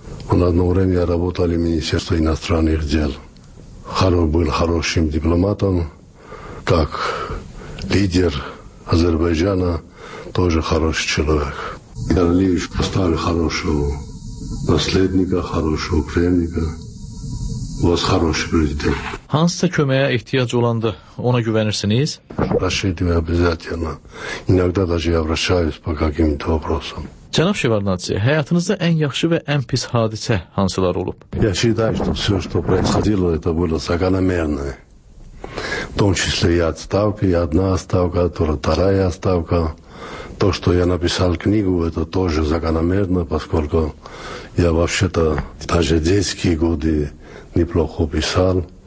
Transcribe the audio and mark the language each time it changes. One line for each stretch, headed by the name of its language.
Russian: Он одно время работал в Министерстве иностранных дел. Был хорошим дипломатом, как лидер Азербайджана, тоже хороший человек. Гейдар Алиев поставил хорошего наследника, хорошего преемника. У вас хороший президент.
Azerbaijani: Hansısa köməyə ehtiyac olanda ona güvənirsiniz? Raşidim, obyazatiyana. İnaqda da javraşayız, baka kimi dobrosam. Cənab Şevardnadze, həyatınızda ən yaxşı və ən pis hadisə hansılar olub?
Russian: Я считаю, что все, что происходило, это было закономерное. В том числе и отставки, и одна отставка, вторая отставка. То, что я написал книгу, это тоже закономерно, поскольку я вообще-то даже детские годы неплохо писал.